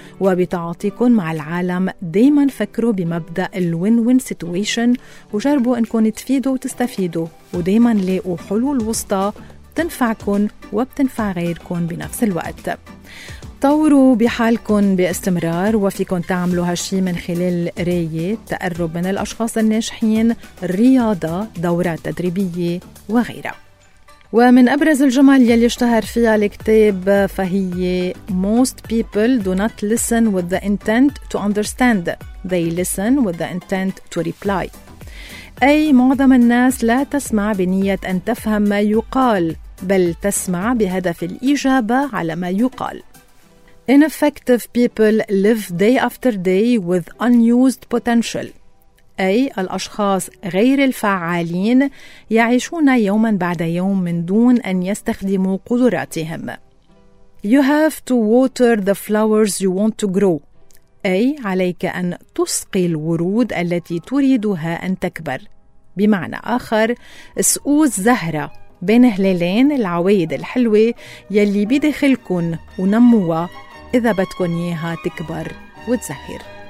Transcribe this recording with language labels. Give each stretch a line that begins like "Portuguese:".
Arabic: وبتعاطيكن مع العالم دايما فكروا بمبدأ الوين-وين سيتويشن، وجربوا إنكن تفيدوا وتستفيدوا، ودايما لاقوا حلول وسطى بتنفعكن وبتنفع غيركن بنفس الوقت. طوروا بحالكن باستمرار، وفيكن تعملوا هالشي من خلال قراية، تقرب من الأشخاص الناجحين، رياضة، دورات تدريبية وغيرها. ومن أبرز الجمل يلي اشتهر فيها الكتاب فهي:
English: Most people do not listen with the intent to understand. They listen with the intent to reply.
Arabic: أي معظم الناس لا تسمع بنية أن تفهم ما يقال، بل تسمع بهدف الإجابة على ما يقال.
English: Ineffective people live day after day with unused potential.
Arabic: أي الأشخاص غير الفعالين يعيشون يوما بعد يوم من دون أن يستخدموا قدراتهم.
English: You have to water the flowers you want to grow.
Arabic: أي عليك أن تسقي الورود التي تريدها أن تكبر. بمعنى آخر، اسقوا الزهرة بين هلالين العوايد الحلوة يلي بداخلكن ونموها إذا بدكن إياها تكبر وتزهر.